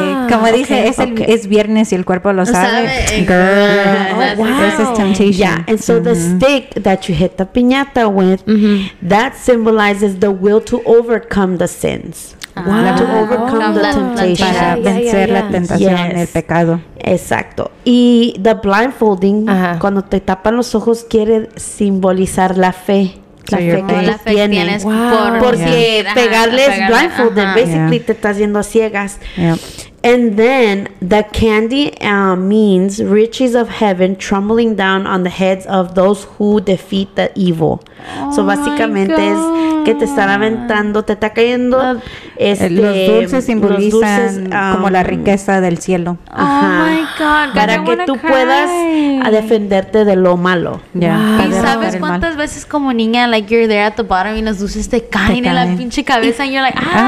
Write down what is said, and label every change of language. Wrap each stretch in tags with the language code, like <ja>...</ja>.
<es>Como dice, es viernes y el cuerpo lo sabe.</es> <en>This is temptation. Yeah, and so the stick that you hit the piñata with, that symbolizes the will to overcome the sins. Wow. To overcome the temptation.</en> <es>Para vencer la tentación, el pecado. Exacto. Y</es> <en>the blindfolding,</en> <es>cuando te tapan los ojos, quiere simbolizar la fe. La fe que tienes. Pegarles</es> <en>blindfolded,</en> <es>basically te estás yendo a ciegas.</es> <en>Yeah. And then the candy means riches of heaven trembling down on the heads of those who defeat the evil. Oh,</en> <es>so básicamente es que te están aventando, te está cayendo. Los dulces simbolizan los dulces, como la riqueza del cielo.</es> <en>My God.</en> <es>Para que tú puedas defenderte de lo malo.</es> <en>Yeah.</en> <es>Wow. ¿Y sabes cuántas veces como niña,</es> <en>like you're there at the bottom</en> <es>y los dulces te caen en la pinche cabeza y</es> <en>you're like,</en>